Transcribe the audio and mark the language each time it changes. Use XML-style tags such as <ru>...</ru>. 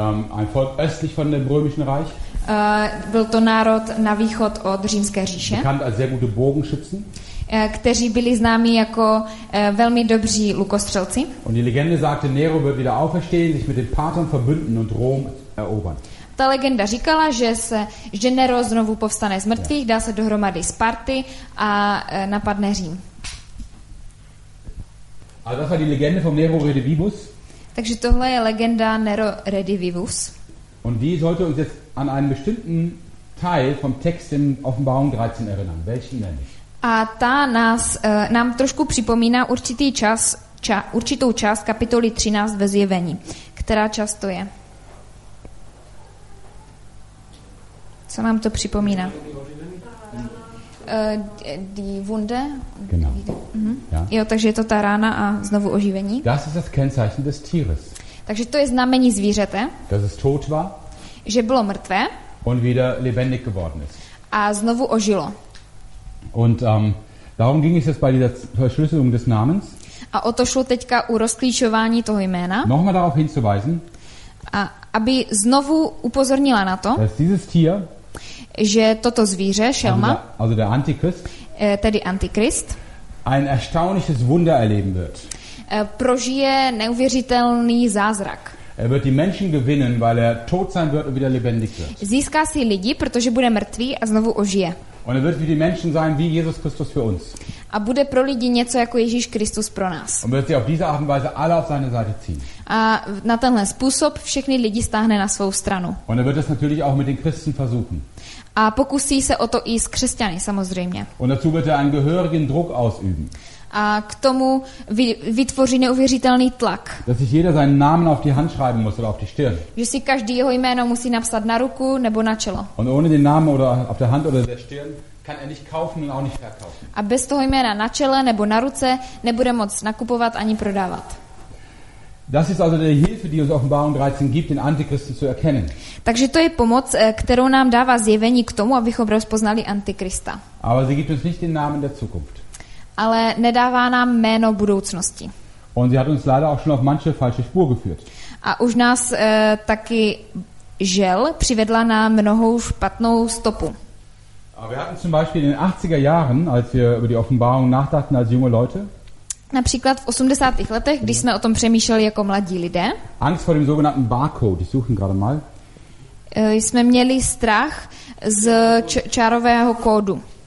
<de>Ein Volk östlich von dem Römischen Reich.</de> <cs>Byl to národ na východ od Římské říše.</cs> <de>Bekannt als sehr gute Bogenschützen.</de> <cs>Kteří byli známi jako velmi dobří lukostřelci.</cs> <de>Und die Legende sagte, Nero wird wieder auferstehen, sich mit den Partern verbünden und Rom erobern.</de> <cs>Ta legenda říkala, že Nero znovu povstane z mrtvých, dá se dohromady z Party a napadne Řím.</cs> <de>A das war die Legende vom Nero Redivivus.</de> <cs>Takže tohle je legenda Nero Redivivus.</cs> <de>Und die sollte uns jetzt an einen bestimmten Teil vom Text in Offenbarung 13 erinnern. Welchen denn?</de> <cs>A ta nám trošku připomíná určitý čas, určitou část kapitoly 13 ve Zjevení. Která část to je? Co nám to připomíná?</cs> <de>Die Wunde. Genau.</de> <cs>Ja. Jo, takže je to ta rána a znovu oživení.</cs> <de>Das ist das Kennzeichen des Tieres.</de> <cs>Takže to je znamení zvířete.</cs> <de>Dass es tot war.</de> <cs>Že bylo mrtvé.</cs> <de>Und wieder lebendig geworden ist.</de> <cs>A znovu ožilo.</cs> <de>Und darum ging es jetzt bei dieser Verschlüsselung des Namens.</de> <cs>A o to šlo teďka u rozklíčování toho jména.</cs> <de>Nochmal darauf hinzuweisen.</de> <cs>A aby znovu upozornila na to,</cs> <de>tier,</de> <cs>že toto zvíře, šelma, tedy Antikrist,</cs> <de>ein erstaunliches Wunder erleben wird.</de> <cs>Prožije neuvěřitelný zázrak.</cs> <de>Er wird die Menschen gewinnen, weil er tot sein wird und wieder lebendig wird.</de> <cs>Získá si lidi, protože bude mrtvý a znovu ožije.</cs> <de>Und er wird für die Menschen sein, wie Jesus Christus für uns.</de> <cs>A bude pro lidi něco jako Ježíš Kristus pro nás.</cs> <de>Und wird sie auf diese Art und Weise alle auf seine Seite ziehen.</de> <cs>A na tenhle způsob všechny lidi stáhne na svou stranu.</cs> <de>Und er wird es natürlich auch mit den Christen versuchen.</de> <cs>A pokusí se o to i s křesťany, samozřejmě.</cs> <de>Und dazu wird er einen gehörigen Druck ausüben.</de> <cs>A k tomu vytvoří neuvěřitelný tlak.</cs> <de>Dass sich jeder seinen Namen auf die Hand schreiben muss oder auf die Stirn.</de> <cs>Že si každý jeho jméno musí napsat na ruku nebo na čelo.</cs> <de>Und ohne den Namen oder auf der Hand oder der Stirn kann er nicht kaufen und auch nicht verkaufen.</de> <cs>A bez toho jména na čele nebo na ruce nebude moc nakupovat ani prodávat.</cs> <de>Das ist also die Hilfe, die uns Offenbarung 13 gibt, den Antichristen zu erkennen.</de> <cs>Takže to je pomoc, kterou nám dává Zjevení k tomu, abychom rozpoznali Antikrista.</cs> <de>Aber sie gibt uns nicht den Namen der Zukunft.</de> <cs>Ale nedává nám jméno budoucnosti.</cs> <de>Und sie hat uns leider auch schon auf manche falsche Spur geführt.</de> <cs>A už nás taky žel přivedla na mnohou špatnou stopu.</cs> <de>Aber wir hatten zum Beispiel in den 80er Jahren, als wir über die Offenbarung nachdachten als junge Leute,</de> <cs>například v 80. letech, když jsme o tom přemýšleli jako mladí lidé,</cs> <de>Angst vor dem sogenannten Barcode, ich suche ihn gerade mal.</de> <cs>Jsme měli strach z čárového kódu.</cs>